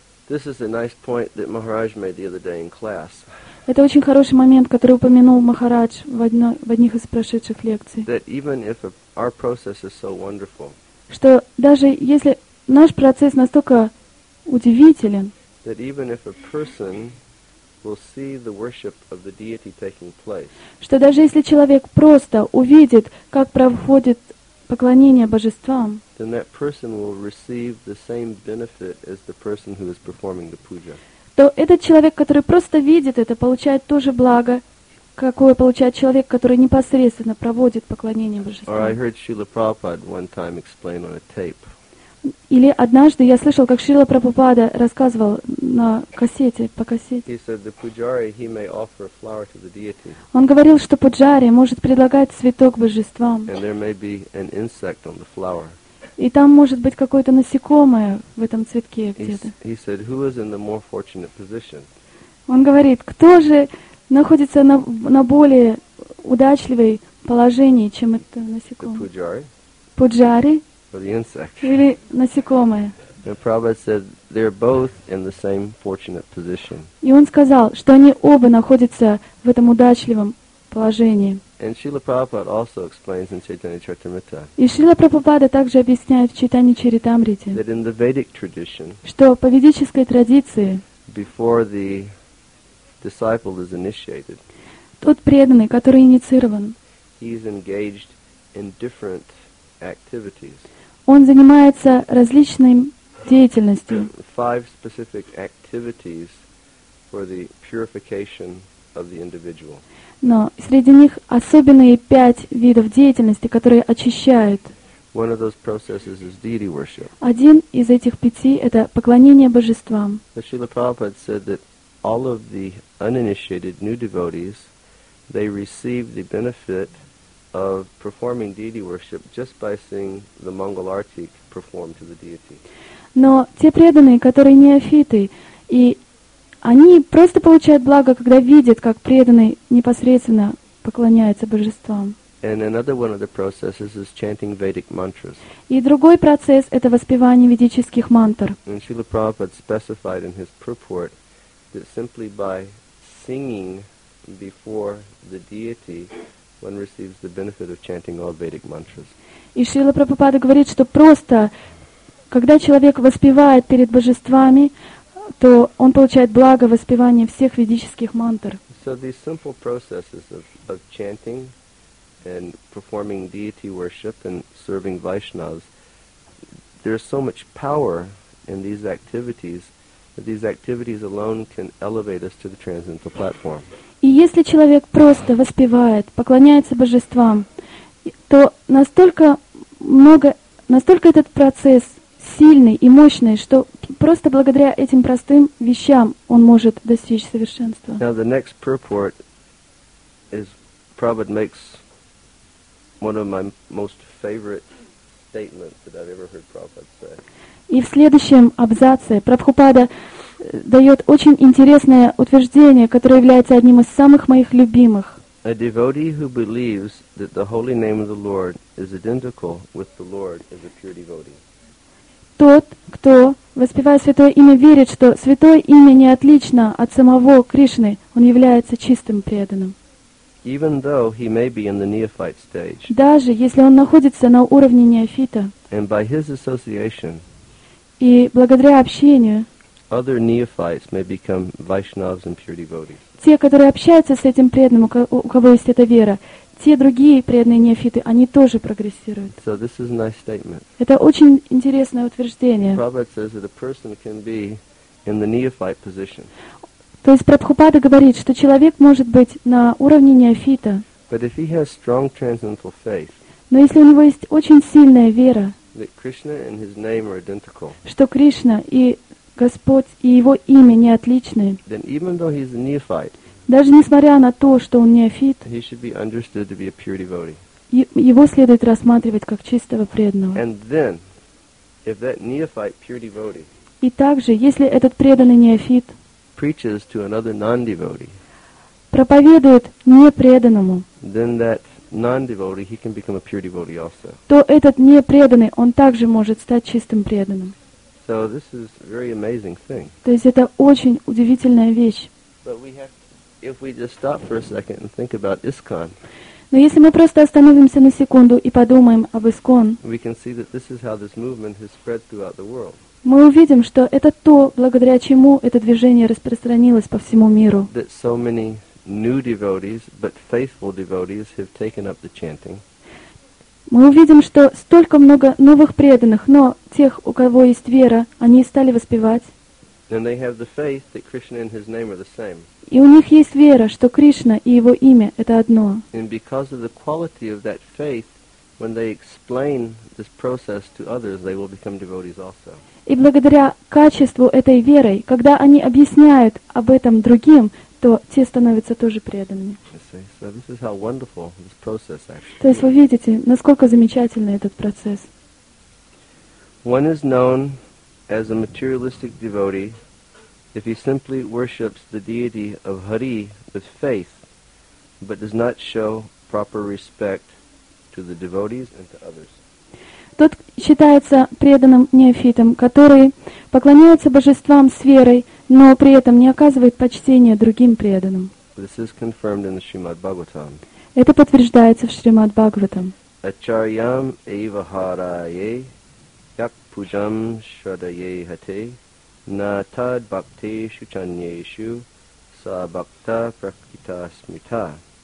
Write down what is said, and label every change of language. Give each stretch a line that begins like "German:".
English: This is a nice point that Maharaj made the other day in class.
Russian: Это очень хороший момент, который упомянул Махарадж в одних из прошедших лекций.
English: That even if our process is so wonderful.
Russian: Что даже если наш процесс настолько удивителен.
English: That even if a person will see the worship of the deity taking place.
Russian: Что даже если человек просто увидит, как проходит поклонение божествам.
English: Then that person will receive the same benefit as the person who is performing the puja.
Russian: То этот человек, который просто видит это, получает то же благо, какое получает человек, который непосредственно проводит поклонение божествам.
English: Or I heard Srila Prabhupada one time explain on a tape.
Russian: Или однажды я слышал, как Шрила Прабхупада рассказывал на кассете, по кассете.
English: He said the pujari, he may offer a flower to the deity.
Russian: Он говорил, что пуджари может предлагать цветок божествам.
English: And there may be an insect on the flower.
Russian: И там может быть какое-то насекомое в этом цветке где-то.
English: He said, who is in the more fortunate position?
Russian: Он говорит, кто же находится на более удачливой положении, чем это насекомое?
English: The pujari.
Russian: Пуджари.
English: Or the insect.
Russian: Или насекомое.
English: And Prabhupada said they're both in the same fortunate position.
Russian: И он сказал, что они оба находятся в этом удачливом положении.
English: And Srila Prabhupada also explains in Chaitanya Charitamrita.
Russian: И Шрила Прабхупада также объясняет в Чайтанье Чаритамрите.
English: That in the Vedic tradition.
Russian: Что по ведической традиции.
English: Before the disciple is initiated.
Russian: Тот преданный, который инициирован.
English: He's engaged in different activities.
Russian: Он занимается различной деятельностью.
English: Five specific activities for the purification of the individual.
Russian: Но среди них особенные пять видов деятельности, которые очищают.
English: One of those processes is deity worship.
Russian: Один из этих пяти – это поклонение божествам.
English: Srila Prabhupada said that all of the uninitiated new devotees, they receive the benefit of performing deity worship just by seeing the Mangal Arati performed to the deity.
Russian: Но те преданные, которые неофиты, и они просто получают благо, когда видят, как преданный непосредственно поклоняется божествам.
English: And another one of the processes is chanting Vedic mantras.
Russian: И другой процесс – это воспевание ведических мантр.
English: And Srila Prabhupada specified in his purport that simply by singing before the deity, one receives the benefit of chanting all Vedic mantras.
Russian: И Шрила Прабхупада говорит, что просто, когда человек воспевает перед божествами, то он получает благо воспевания всех ведических мантр.
English: So these simple processes of chanting and performing deity worship and serving Vaishnavas, there's so much power in these activities that these activities alone can elevate us to the transcendental platform.
Russian: И если человек просто воспевает, поклоняется божествам, то настолько много, настолько этот процесс сильный и мощный, что просто благодаря этим простым вещам он может достичь совершенства.
English: Now the next purport is Prabhupada makes one of my most favorite statements that I've ever heard Prabhupada say.
Russian: И в следующем абзаце Прабхупада дает очень интересное утверждение, которое является одним из самых моих любимых.
English: A devotee who believes that the holy name of the Lord is identical with the Lord is a pure devotee.
Russian: Тот, кто воспевает святое имя, верит, что святое имя не отлично от самого Кришны, он является чистым преданным.
English: Even though he may be in the neophyte stage.
Russian: Даже если он находится на уровне неофита.
English: And by his association.
Russian: И благодаря общению.
English: Other neophytes may become Vaishnavas and pure devotees.
Russian: Те, которые общаются с этим преданным, у кого есть эта вера, те другие преданные неофиты, они тоже прогрессируют.
English: So this is a nice statement.
Russian: Это очень интересное утверждение.
English: Prabhupada says that a person can be in the neophyte position.
Russian: То есть Прабхупада говорит, что человек может быть на уровне неофита.
English: But if he has strong transcendental faith.
Russian: Но если у него есть очень сильная вера.
English: That Krishna and his name are identical.
Russian: Что Кришна и Господь и его имя не отличны.
English: Then even though he's a neophyte,
Russian: даже несмотря на то, что он неофит,
English: he should be understood to be a pure devotee.
Russian: Его следует рассматривать как чистого преданного.
English: And then, if that neophyte pure devotee,
Russian: и также, если этот преданный неофит
English: preaches to another non-devotee,
Russian: проповедует непреданному,
English: then that non-devotee, he can become a pure devotee also.
Russian: То этот непреданный, он также может стать чистым преданным.
English: So this is a very amazing thing.
Russian: То есть это очень удивительная вещь.
English: But we have to, if we just stop for a second and think about ISKCON.
Russian: Но если мы просто остановимся на секунду и подумаем об ИСККОН,
English: we can see that this is how this movement has spread throughout the world.
Russian: Мы увидим, что это то, благодаря чему это движение распространилось по всему миру.
English: That so many new devotees, but faithful devotees, have taken up the chanting.
Russian: Мы увидим, что столько много новых преданных, но тех, у кого есть вера, они стали воспевать.
English: And they have the faith that Krishna and His name are the same.
Russian: И у них есть вера, что Кришна и Его имя — это одно.
English: And because of the quality of that faith, when they explain this process to others, they will become devotees also.
Russian: И благодаря качеству этой веры, когда они объясняют об этом другим, то те становятся тоже преданными.
English: So this is how wonderful this process actually is.
Russian: То есть вы видите, насколько замечательный этот процесс.
English: One is known as a materialistic devotee if he simply worships the deity of Hari with faith, but does not show proper respect to the devotees and to others.
Russian: Тот считается преданным неофитом, который поклоняется божествам с верой, но при этом не оказывает почтения другим преданным.
English: This is confirmed in the Shrimad Bhagavatam.
Russian: Это подтверждается в Шримад Бхагаватам.
Sanskrit: Ачарьям эйва харайе як пуджам шрадайе хате на тад бхакте шучаньешу са бхакта пракита смита.